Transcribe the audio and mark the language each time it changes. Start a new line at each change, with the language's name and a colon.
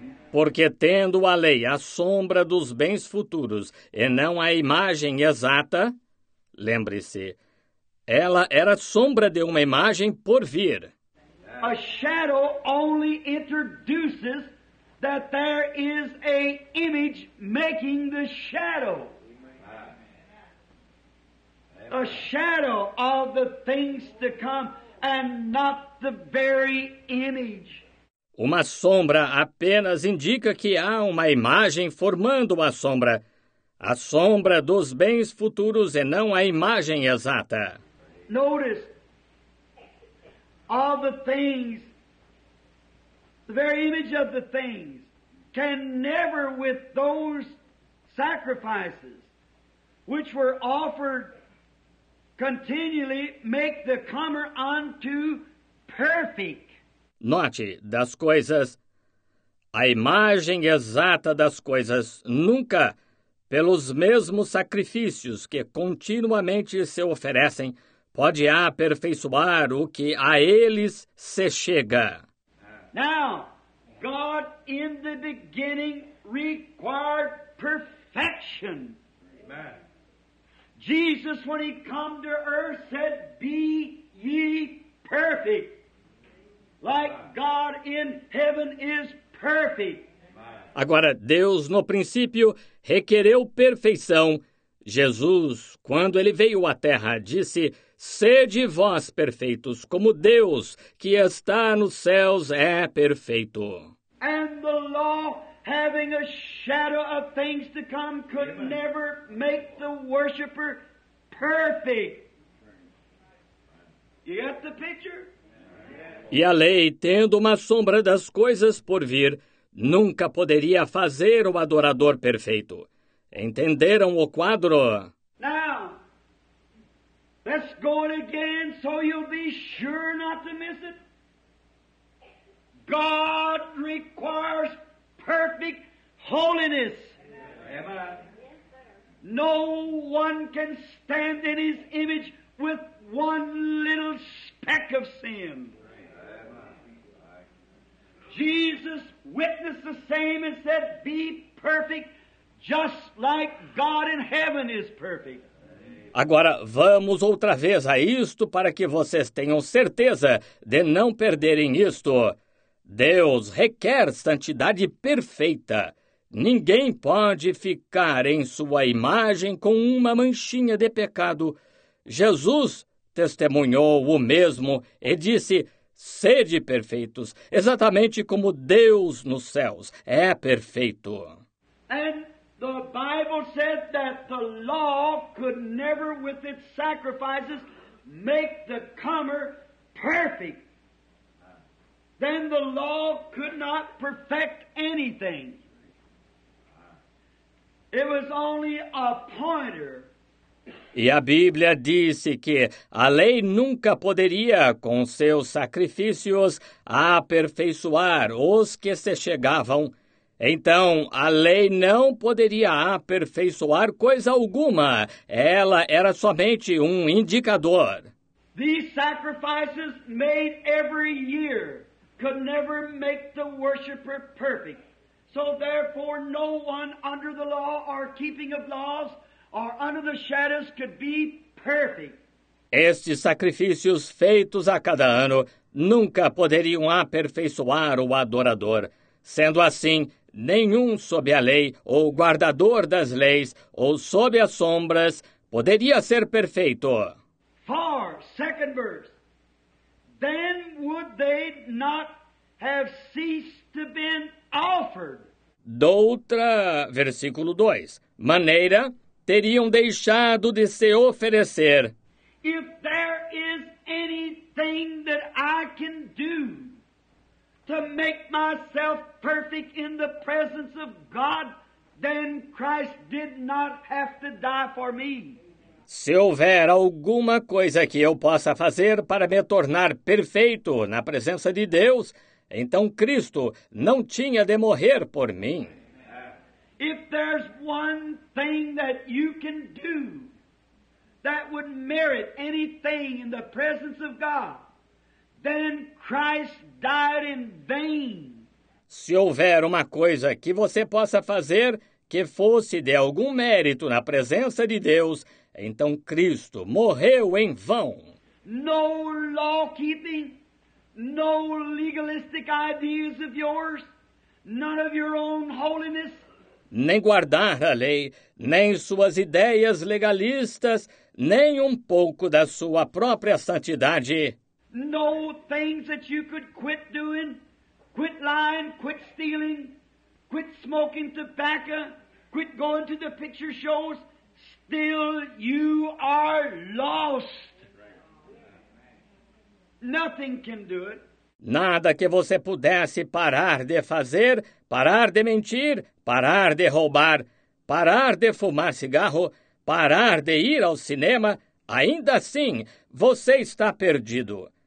Portuguese: Porque tendo a lei a sombra dos bens futuros e não a imagem exata, lembre-se, ela era sombra de uma imagem por vir.
English: A shadow only introduces that there is a image making the shadow. A shadow of the things to come and not the very image.
Portuguese: Uma sombra apenas indica que há uma imagem formando a sombra dos bens futuros e não a imagem exata.
English: Notice all the things, the very image of the things can never with those sacrifices which were offered continually make the comer unto perfect.
Portuguese: Note, das coisas, a imagem exata das coisas nunca, pelos mesmos sacrifícios que continuamente se oferecem, pode aperfeiçoar o que a eles se chega.
English: Now, God in the beginning required perfection. Amen. Jesus, when he came to earth, said, be ye perfect. Like God in heaven is perfect.
Portuguese: Agora, Deus no princípio requereu perfeição. Jesus, quando ele veio à terra, disse, sede vós perfeitos, como Deus que está nos céus é perfeito.
English: And the law, having a shadow of things to come, could Amen. Never make the worshiper perfect. You get the picture?
Portuguese: E a lei, tendo uma sombra das coisas por vir, nunca poderia fazer o adorador perfeito. Entenderam o quadro?
English: Now, let's go it again so you'll be sure not to miss it. God requires perfect holiness. Amen. No one can stand in his image with one little speck of sin. Jesus witnessed the same and said, be perfect, just like God in heaven is perfect.
Portuguese: Agora, vamos outra vez a isto para que vocês tenham certeza de não perderem isto. Deus requer santidade perfeita. Ninguém pode ficar em sua imagem com uma manchinha de pecado. Jesus testemunhou o mesmo e disse, sede perfeitos, exatamente como Deus nos céus é perfeito.
English: And the Bible said that the law could never with its sacrifices make the comer perfect. Then the law could not perfect anything. It was only a pointer.
Portuguese: E a Bíblia disse que a lei nunca poderia, com seus sacrifícios, aperfeiçoar os que se chegavam. Então, a lei não poderia aperfeiçoar coisa alguma. Ela era somente um indicador.
English: These sacrifices made every year could never make the worshiper perfect. So therefore, no one under the law or keeping of laws or under the shadows could be perfect.
Portuguese: Estes sacrifícios feitos a cada ano nunca poderiam aperfeiçoar o adorador. Sendo assim, nenhum sob a lei, ou guardador das leis, ou sob as sombras, poderia ser perfeito.
English: For, second verse, then would they not have ceased to been offered.
Portuguese: Doutra, versículo 2, maneira, teriam deixado de se oferecer.
English: If there is any thing that I can do to make myself perfect in the presence of God, then Christ did not have to die for me.
Portuguese: Se houver alguma coisa que eu possa fazer para me tornar perfeito na presença de Deus, então Cristo não tinha de morrer por mim.
English: If there's one thing that you can do that would merit anything in the presence of God, then Christ died in vain.
Portuguese: Se houver uma coisa que você possa fazer que fosse de algum mérito na presença de Deus, então Cristo morreu em vão.
English: No law-keeping, no legalistic ideas of yours, none of your own holiness.
Portuguese: Nem guardar a lei, nem suas ideias legalistas, nem um pouco da sua própria santidade.
English: No things that you could quit doing, quit lying, quit stealing, quit smoking tobacco, quit going to the picture shows, still you are lost. Nothing can do it.
Portuguese: Nada que você pudesse parar de fazer, parar de mentir, parar de roubar, parar de fumar cigarro, parar de ir ao cinema, ainda assim, você está perdido.